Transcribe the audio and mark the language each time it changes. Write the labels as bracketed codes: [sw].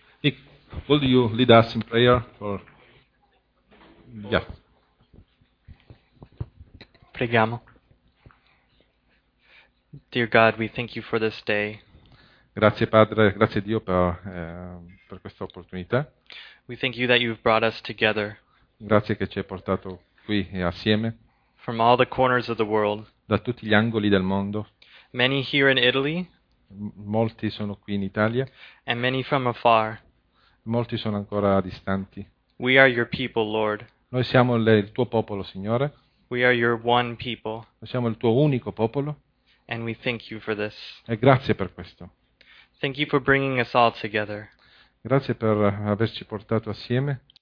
[en] Nick, will you lead us in prayer? For... Yeah. [it] Preghiamo. [en] Dear God, we thank you for this day. [it] Grazie Padre, grazie Dio per questa opportunità. [en] We thank you that you've brought us together. [it] Grazie che ci hai portato qui assieme. [en] From all the corners of the world. [it] Da tutti gli angoli del mondo. [en] Many here in Italy. [it] Molti sono qui in Italia. [en] And many from afar. [it] Molti sono ancora distanti. [en] We are your people, Lord. [it] Noi siamo il tuo popolo, Signore. [en] We are your one people. [it] Noi siamo il tuo unico popolo. [en] And we thank you for this. [it] E grazie per questo. [en] Thank you for bringing us all together. [it] Grazie per averci portato assieme.